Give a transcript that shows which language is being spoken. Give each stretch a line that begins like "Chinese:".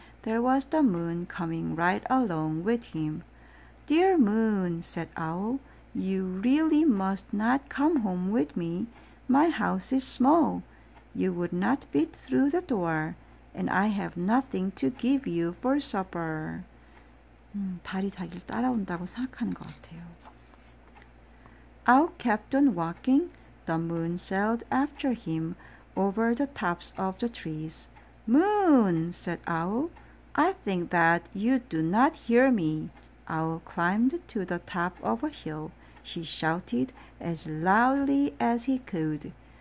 English: There was the moon coming right along with him. Dear moon, said Owl, you really must not come home with me. My house is small. You would not fit through the door, and I have nothing to give you for supper.
Korean: 달이 자기를 따라온다고 생각하는 것 같아요.
English: Owl kept on walking. The moon sailed after him over the tops of the trees. Moon, said Owl, I think that you do not hear me. Owl climbed to the top of a hill. He shouted as loudly as he could.